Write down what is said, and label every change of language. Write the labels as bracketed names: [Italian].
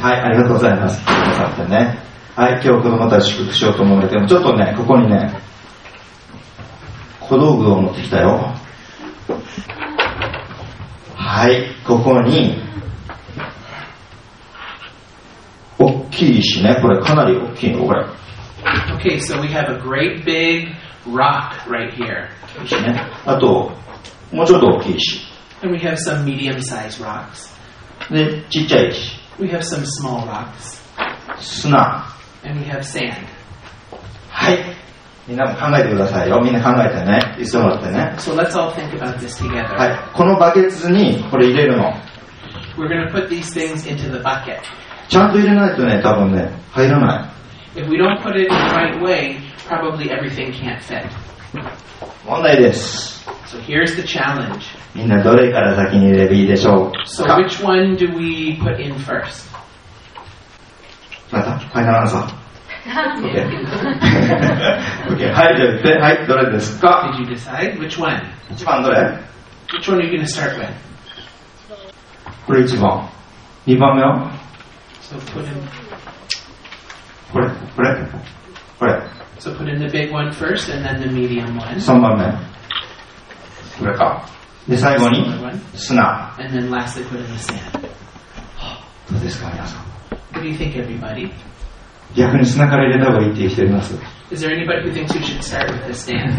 [Japanese] はい、ありがとうございます。座ってね。はい、今日子供たち祝福しようと思われても、ちょっとね、ここにね、小道具を持ってきたよ。はい、ここに大きい石ね、これかなり大きいの、これ。 [English] Okay, so we have a great big rock right here. [Japanese] 石ね、あともうちょっと大きい石。 [English] And we have some medium-sized rocks. [Japanese] で、ちっちゃい石。 [English] We have some small rocks. [Japanese] 砂。 [English] And we have sand. [Japanese] はい、みんなも考えてくださいよ。みんな考えてね。いつもだってね。 [English] So let's all think about this together. [Japanese] はい。このバケツにこれ入れるの。 [English] We're gonna put these things into the bucket. [Japanese] ちゃんと入れないとね、多分ね、入らない。 [English] If we don't put it in the right way, probably everything can't fit. [Japanese] 問題です。 [English] So here's the challenge. [Japanese] みんなどれから先に入れればいいでしょうか。 [English] So which one do we put in first? [Japanese] また、ファイナルアンサー。 [English] Okay. Okay. Okay. [Japanese] はい、どれですか？ [English] Did you decide? Which one? [Japanese] 一番どれ？ [English] Which one are you going to start with? [Japanese] これ一番。二番目は？ [English] So put in... [Japanese] これ。 [English] So put in the big one first and then the medium one. [Japanese] 三番目。これか。で、最後に砂。 [English] And then lastly put in the sand. [Japanese] どうですか、皆さん。 [English] What do you think, everybody? [Japanese] 逆に砂から入れた方がいいっていう人います。 [English] Is there anybody who thinks you should start with the sand?